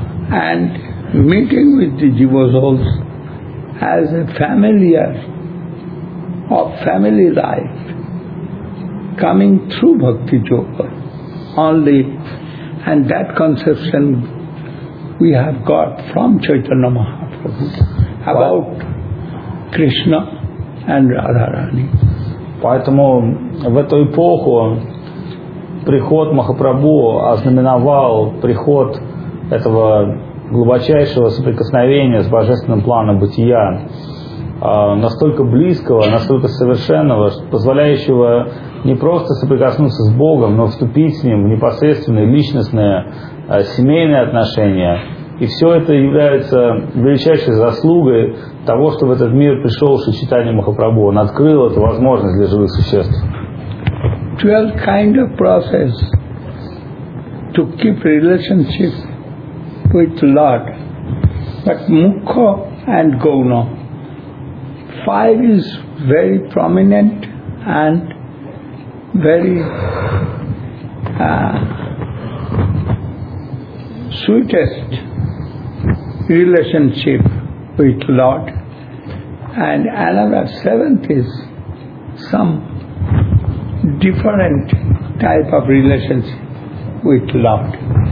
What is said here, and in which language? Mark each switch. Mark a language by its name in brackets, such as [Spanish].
[English] and meeting with the jiva souls as a familiar of family life, coming through bhakti yoga only, and that conception we have got from Chaitanya Mahaprabhu about Krishna and Radharani. [Russian] Поэтому в эту эпоху приход Махапрабху ознаменовал приход этого глубочайшего соприкосновения с божественным планом бытия, настолько близкого, настолько совершенного, позволяющего не просто соприкоснуться с Богом, но вступить с Ним в непосредственные, личностные, семейные отношения. И все это является величайшей заслугой того, что в этот мир пришел Шри Чайтанья Махапрабху. Он открыл эту возможность для живых существ. [English] 12 kind of process to keep relationship with Lord, but Mukha and Gauna. 5 is very prominent and very sweetest relationship with Lord, and another 7th is some different type of relationship with Lord.